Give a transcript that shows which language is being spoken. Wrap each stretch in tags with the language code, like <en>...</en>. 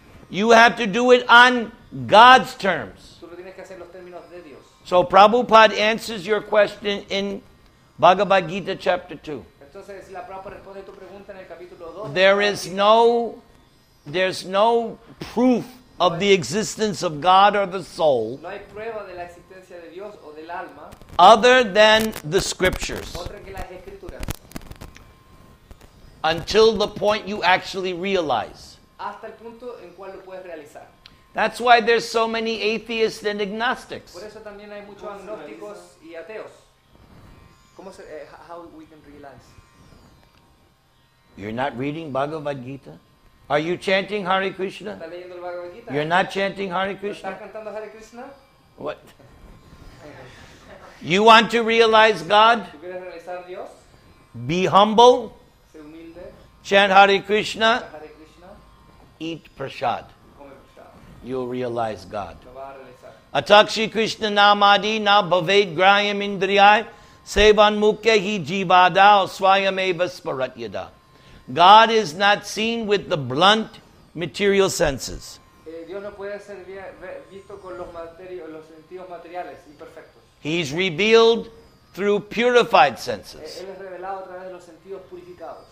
<en>You have to do it on God's terms.</en> <es>Tú lo tienes que hacer los términos de Dios.</es> <en>So Prabhupada answers your question in Bhagavad Gita chapter 2.</en> <es>Entonces, la Prabhupada responde tu pregunta en el capítulo 2.</es> <en>There's no proof of the existence of God or the soul.</en> <es>No hay prueba de la existencia de Dios o del alma.</es> <en>Other than the scriptures.</en> <es>Otra que las escrituras.</es> <en>Until the point you actually realize.</en> <es>Hasta el punto en cual lo puedes realizar.</es> <en>That's why there's so many atheists and agnostics.</en> <es>Por eso también hay muchos agnósticos y ateos. ¿Cómo se,</es> <en>how we can realize? You're not reading Bhagavad Gita? Are you chanting Hare Krishna?</en> <es>¿Estás leyendo el Bhagavad Gita?</es> <en>You're not chanting Hare Krishna?</en> <es>¿Estás cantando Hare Krishna?</es> <en>What? You want to realize God?</en> <es>¿Tú quieres realizar Dios?</es> <en>Be humble.</en> <es>Sé humilde.</es> <en>Chant Hare Krishna.</en> <sa>Hare Krishna.</sa> <en>Eat prasad. You'll realize God.</en> <sa>Atakshi Krishna Namadi Na Bhaved Grayam Indriyai Sevan Mukhehi Jivadao Swayameva Sparatyada.</sa> <en>God is not seen with the blunt material senses.</en> <es>Dios no puede ser visto con los sentidos materiales imperfectos.</es> <en>He's revealed through purified senses.</en> <es>Él es revelado a través de los sentidos purificados.</es>